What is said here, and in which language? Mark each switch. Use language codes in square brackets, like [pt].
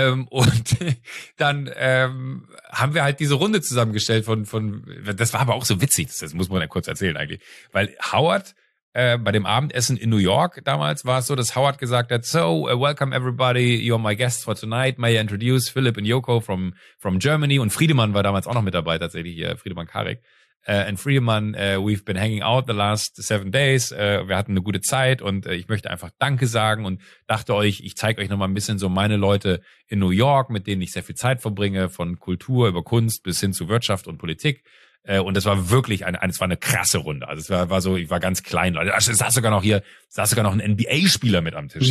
[de] Und dann haben wir halt diese Runde zusammengestellt von das war aber auch so witzig, das muss man ja kurz erzählen eigentlich, weil Howard bei dem Abendessen in New York damals war es so, dass Howard gesagt hat, so [en] welcome everybody, you're my guests for tonight, may I introduce Philipp and Joko from Germany, [de] und Friedemann war damals auch noch mit dabei tatsächlich, Friedemann Karik. [en] And Friedemann, we've been hanging out the last 7 days. [de] Wir hatten eine gute Zeit und ich möchte einfach Danke sagen und dachte euch, ich zeige euch nochmal ein bisschen so meine Leute in New York, mit denen ich sehr viel Zeit verbringe, von Kultur über Kunst bis hin zu Wirtschaft und Politik. Und das war wirklich eine krasse Runde. Also es war so, ich war ganz klein. Leute, es saß sogar noch ein NBA-Spieler mit am Tisch.